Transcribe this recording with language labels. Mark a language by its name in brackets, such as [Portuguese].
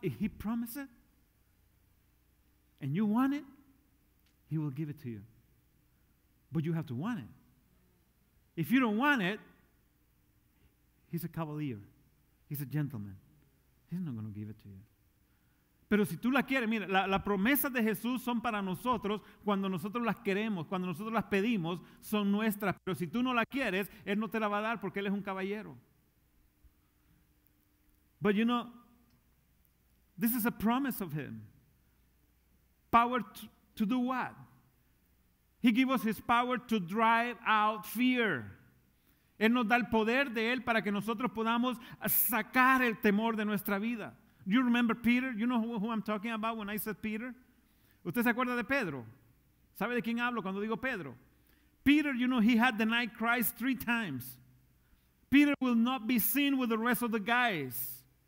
[English] If He promised it, and you want it, He will give it to you. But you have to want it. If you don't want it, He's a cavalier. He's a gentleman. He's not going to give it to you. [Spanish] Pero si tú la quieres, mira, la promesa de Jesús son para nosotros cuando nosotros las queremos, cuando nosotros las pedimos, son nuestras. Pero si tú no la quieres, Él no te la va a dar porque Él es un caballero. [English] But you know, this is a promise of Him. Power to do what? He gave us his power to drive out fear. [Spanish] Él nos da el poder de él para que nosotros podamos sacar el temor de nuestra vida. [English] You remember Peter? You know who I'm talking about when I said Peter? [Spanish] ¿Usted se acuerda de Pedro? ¿Sabe de quién hablo cuando digo Pedro? [English] Peter, you know, he had denied Christ 3 times. Peter will not be seen with the rest of the guys.